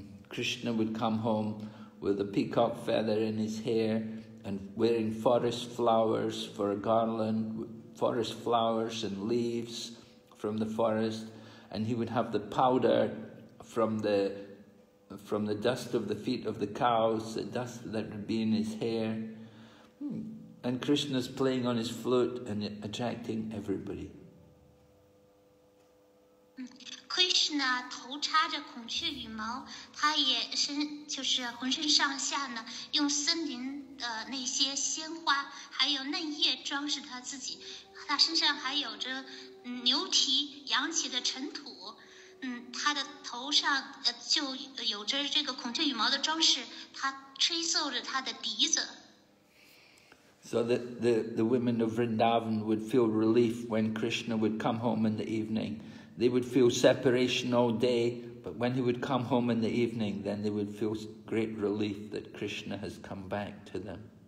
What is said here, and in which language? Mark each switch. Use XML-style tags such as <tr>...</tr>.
<en>Krishna would come home with a peacock feather in his hair and wearing forest flowers for a garland, forest flowers and leaves from the forest, and he would have the powder from the dust of the feet of the cows, the dust that would be in his hair. And Krishna's playing on his flute and attracting everybody.</en> <zh>Krishna 头插着孔雀羽毛，他也就是浑身上下呢，用森林的那些鲜花还有嫩叶装饰他自己。他身上还有着牛蹄扬起的尘土，他的头上就有着这个孔雀羽毛的装饰。他吹奏着他的笛子。</zh> <en>So the women of Vrindavan would feel relief when Krishna would come home in the evening. They would feel separation all day, but when he would come home in the evening, then they would feel great relief that Krishna has come back to them.</en>